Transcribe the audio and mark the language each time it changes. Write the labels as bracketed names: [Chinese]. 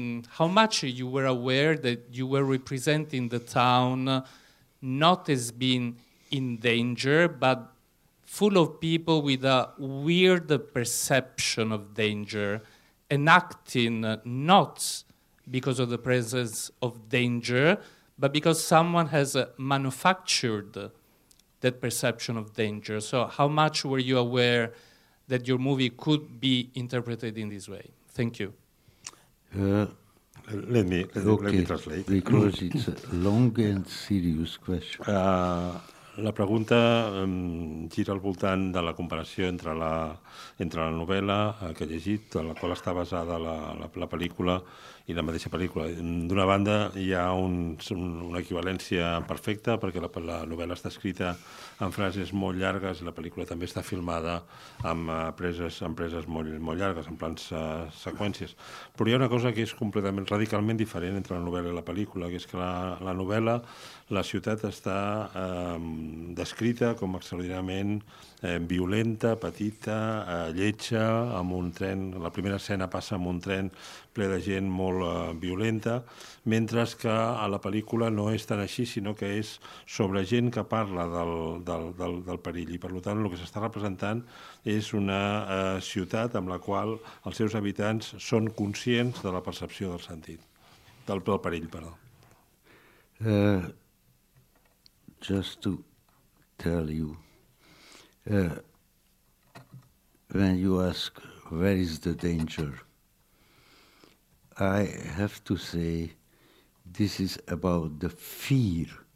[English] how much you were aware that you were representing the town not as being in danger, but full of people with a weird perception of danger, enacting not because of the presence of danger, but because someone has manufactured that perception of danger. So how much were you aware that your movie could be interpreted in this way? Thank you. Let me translate. Because it's a long and serious question. [Catalan] La pregunta gira al voltant de la comparació entre la novel·la que he llegit, en la qual està basada la pel·lícula, i la mateixa pel·lícula. D'una banda, hi ha una equivalència perfecta, perquè la novel·la està escrita en frases molt llargues i la pel·lícula també està filmada amb preses molt, molt llargues, en plans seqüències. Però hi ha una cosa que és completament, radicalment diferent entre la novel·la i la pel·lícula, que és que la novel·la, la ciutat està descrita com extraordinàriament violenta, petita, lletja, amb un tren, la primera escena passa amb un tren ple de gent molt violenta, mentre que a la pel·lícula no és tan així, sinó que és sobre gent que parla del perill. I, per tant, el que s'està representant és una ciutat amb la qual els seus habitants són conscients de la percepció del sentit, del perill, perdó. [English] Just to tell you, when you ask where is the danger, I have to say this is about the fear.